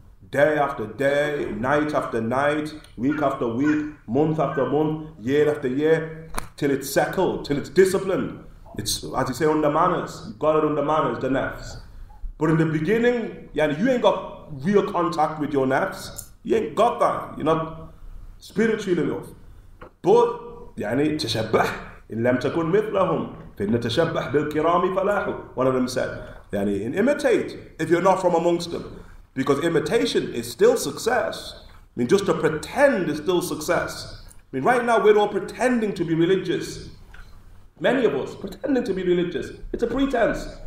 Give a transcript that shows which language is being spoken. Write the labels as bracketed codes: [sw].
[en] Day after day, night after night, week after week, month after month, year after year, till it's settled, till it's disciplined. It's, as you say, under manners. You've got it under manners, the nafs. But in the beginning, you ain't got real contact with your nafs. You ain't got that. You're not spiritual enough. But, [ar] تشبه إن لم تكن مثلهم فإن تشبه بالكرام فلاحوا. [en] One of them said, imitate if you're not from amongst them. Because imitation is still success. I mean, just to pretend is still success. I mean, right now we're all pretending to be religious. Many of us pretending to be religious. It's a pretense.